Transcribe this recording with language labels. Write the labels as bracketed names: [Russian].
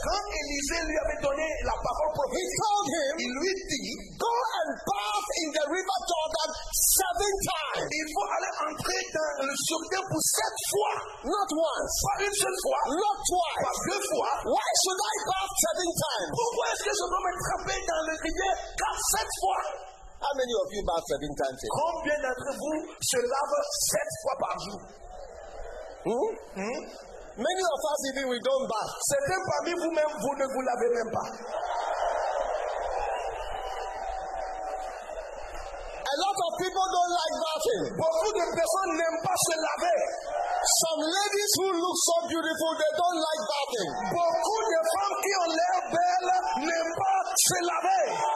[French] quand Élisée lui avait donné la parole prophétique, [English] he told him, [French] il lui dit, [English] go and bathe in the river Jordan 7 times. [French] Il faut aller entrer dans le Jourdain pour 7 fois. [English] Not once. [French] Pas une seule fois. [English] Not twice. [French] Pas deux fois. [English] Why should I bathe 7 times? [French] Pourquoi est-ce que je dois me tremper dans le rivière 7 fois? [English] How many of you bath 7 times a day? [French] Combien d'entre vous se lave 7 fois par jour? [English] Many of us even we don't bath. [French] Certains parmi vous-même, vous ne vous lavez même pas. [English] A lot of people don't like bathing. [French] Beaucoup de personnes n'aiment pas se laver. [English] Some ladies who look so beautiful, they don't like bathing. [French] Beaucoup de femmes qui ont l'air belles n'aiment pas se laver.